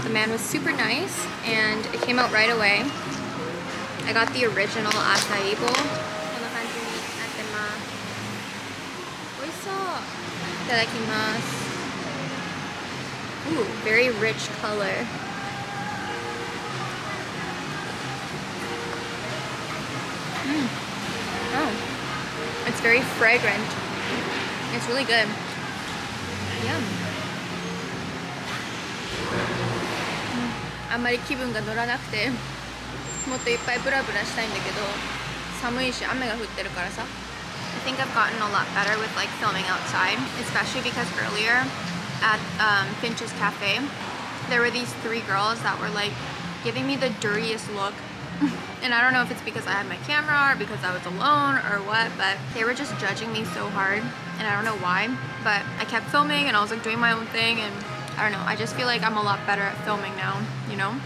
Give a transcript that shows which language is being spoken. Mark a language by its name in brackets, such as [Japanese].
[English] The man was super nice and it came out right away. I got the original acai bowl. [Japanese] こんな感じになってます。おいしそう。いただきます。 [English] Ooh, very rich color. Mm. Oh, it's very fragrant. It's really good. Yum. [Japanese] あんまり気分が乗らなくて、もっといっぱいブラブラしたいんだけど、寒いし雨が降ってるからさ。 [English] I think I've gotten a lot better with like filming outside, especially because earlier at Finchs Cafe there were these three girls that were like giving me the dirtiest look. And I don't know if it's because I had my camera or because I was alone or what, but they were just judging me so hard and I don't know why, but I kept filming and I was like doing my own thing andI don't know, I just feel like I'm a lot better at filming now, you know?